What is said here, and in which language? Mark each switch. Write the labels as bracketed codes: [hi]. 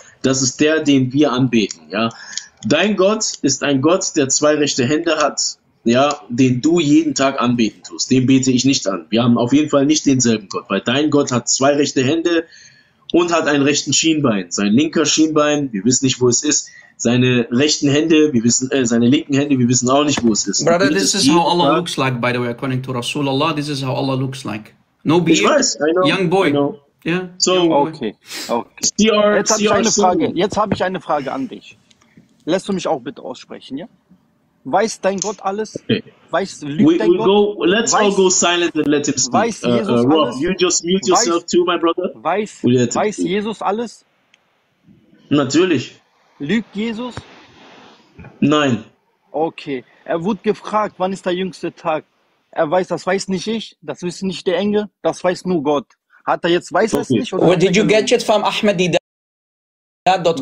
[de] Das ist der, den wir anbeten, ja. Dein Gott ist ein Gott, der zwei rechte Hände hat, ja, den du jeden Tag anbeten tust. Den bete ich nicht an. Wir haben auf jeden Fall nicht denselben Gott, weil dein Gott hat zwei rechte Hände und hat einen rechten Schienbein. Sein linker Schienbein, wir wissen nicht, wo es ist, seine rechten Hände, wir wissen seine linken Hände, wir wissen auch nicht, wo es ist. [en] Brother, this is how Allah looks like, by the way, according to Rasulullah, this is how Allah looks like. No beard. [de] Ich weiß, [en] young boy. Yeah. [de] So, okay. Jetzt habe ich eine Frage. Jetzt habe ich eine Frage an dich. Lässt du mich auch bitte aussprechen, ja? Weiß dein Gott alles? Okay. Weiß, lügt dein Gott? [en] Let's all go silent and let him speak. [de] Weiß Jesus alles? [en] Rob, you just mute yourself too, my brother. [de] Weiß Jesus alles? Natürlich. Lügt Jesus? Nein. Okay. Er wurde gefragt, wann ist der jüngste Tag? Er weiß, das weiß nicht ich, das wissen nicht die Engel, das weiß nur Gott. Hat er jetzt, weiß er es nicht? Oder [en] did you get it from Ahmadidad.com?